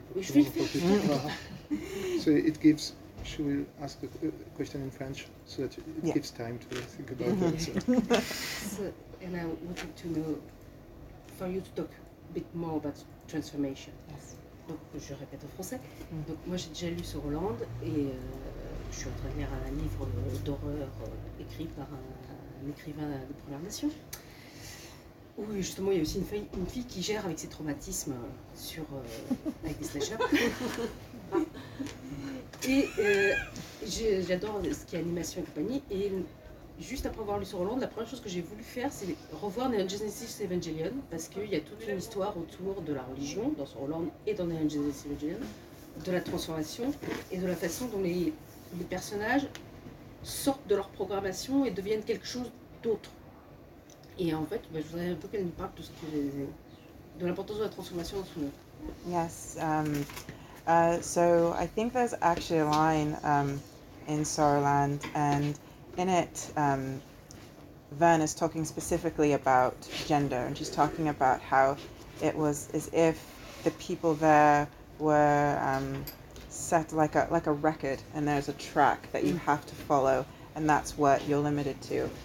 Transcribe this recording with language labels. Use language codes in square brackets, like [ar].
[fr] pour que je puisse [en] So it gives. She will ask the question in French so that it gives time to think about the answer. So, and I wanted to know for you to talk a bit more about transformation. Yes. [fr] Donc, je répète en français. Donc, moi, j'ai déjà lu sur Roland et je suis en train de lire un livre d'horreur écrit par un écrivain de Première Nation. Où justement, il y a aussi une fille qui gère avec ses traumatismes sur avec des slashers. Et j'adore ce qui est animation et compagnie. Et juste après avoir lu sur Roland, la première chose que j'ai voulu faire, c'est revoir Neon Genesis Evangelion, parce qu'il y a toute une histoire autour de la religion dans sur Roland et dans Neon Genesis Evangelion, de la transformation et de la façon dont les personnages sortent de leur programmation et deviennent quelque chose d'autre. Et en fait, je voudrais un peu qu'elle nous parle de l'importance de la transformation dans son œuvre. [en] Yes. So I think there's actually a line in Sauroland, and in it Vern is talking specifically about gender, and she's talking about how it was as if the people there were set like a record, and there's a track that you have to follow, and that's what you're limited to.